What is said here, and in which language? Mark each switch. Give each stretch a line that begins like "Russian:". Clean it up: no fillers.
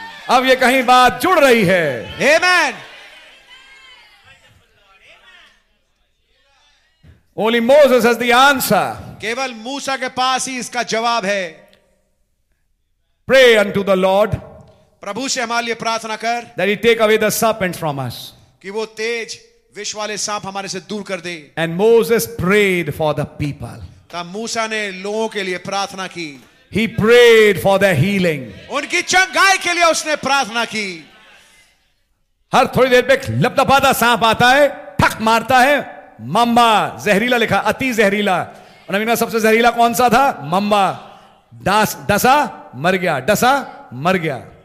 Hindi: अब ये कहीं बात जुड़ रही है.
English: Amen. Only Moses has the answer.
Hindi: केवल मूसा के पास ही इसका जवाब है.
English: Pray unto the Lord.
Hindi: प्रभु से हमारे लिए प्रार्थना कर.
English: That he take away the serpent from us.
Hindi: कि वो तेज विष वाले सांप हमारे से दूर कर दे.
English: And Moses prayed for the people.
Hindi: तब मूसा ने लोगों के लिए प्रार्थना की.
English: He prayed for their healing.
Hindi: उनकी चंगाई के लिए उसने प्रार्थना की. हर थोड़ी देर पे लपदपादा सांप आता है, ठक मारता है. मम्बा, जहरीला लिखा, अति जहरीला. नवीना, सबसे जहरीला कौन सा था? मम्बा. डसा मर गया, डसा मर गया.